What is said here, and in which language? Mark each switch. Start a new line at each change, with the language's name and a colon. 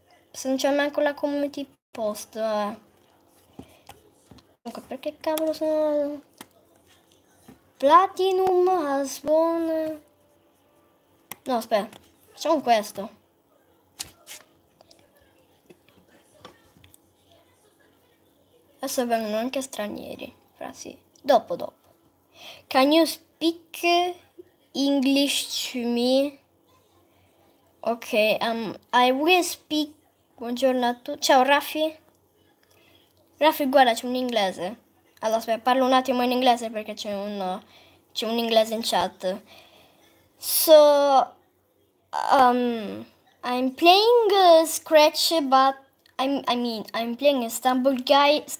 Italian: Se non c'è neanche la community post. Comunque, perché cavolo sono...
English: Platinum has won...
Italian: No, aspetta, facciamo questo. Adesso vengono anche stranieri. Fra sì. Dopo.
English: Can you speak English to me? Ok, I will speak.
Italian: Buongiorno a tutti. Ciao Raffi. Raffi, guarda, c'è un inglese. Allora, aspetta, parlo un attimo in inglese perché c'è un inglese in chat.
English: So, I'm playing Scratch, but I mean, I'm playing Stumble Guys.